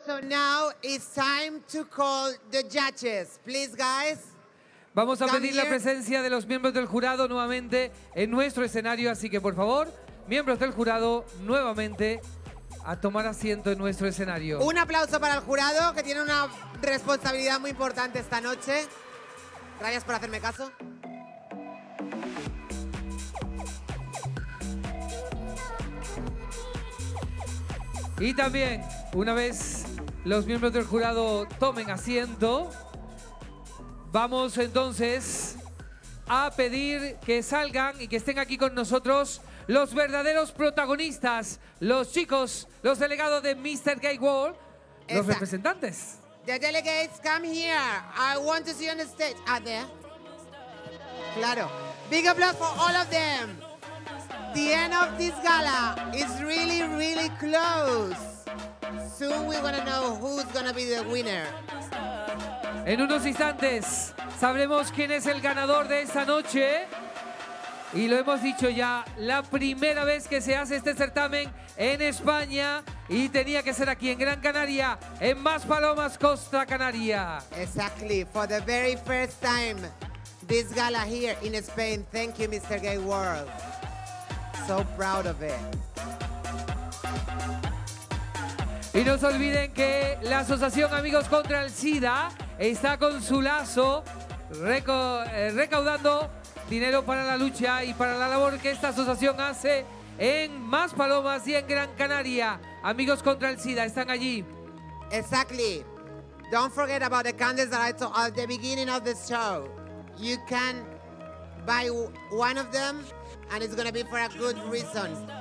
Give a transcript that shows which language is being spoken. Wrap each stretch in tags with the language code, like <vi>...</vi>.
<en>So now it's time to call the judges. Please, guys.</en> <es>Vamos a pedir la presencia de los miembros del jurado nuevamente en nuestro escenario. Así que, por favor, miembros del jurado, nuevamente a tomar asiento en nuestro escenario. Un aplauso para el jurado, que tiene una responsabilidad muy importante esta noche. Gracias por hacerme caso. Y también, una vez los miembros del jurado tomen asiento, vamos entonces a pedir que salgan y que estén aquí con nosotros los verdaderos protagonistas, los chicos, los delegados de Mr. Gay World, los representantes.</es> <en>The delegates, come here. I want to see you on the stage. Ah, there. Claro. Big applause for all of them. The end of this gala is really, really close. Soon we're gonna know who's gonna be the winner.</en> <es>En unos instantes sabremos quién es el ganador de esta noche. Y lo hemos dicho ya, la primera vez que se hace este certamen en España y tenía que ser aquí en Gran Canaria, en Más Palomas, Costa Canaria.</es> <en>Exactly, for the very first time, this gala here in Spain. Thank you, Mr. Gay World. So proud of it.</en> <es>Y no se olviden que la Asociación Amigos contra el SIDA está con su lazo recaudando dinero para la lucha y para la labor que esta asociación hace en Más Palomas y en Gran Canaria. Amigos contra el SIDA están allí.</es> <en>Exactly. Don't forget about the candles that I told at the beginning of the show. You can buy one of them. And it's gonna be for a good reason.</en>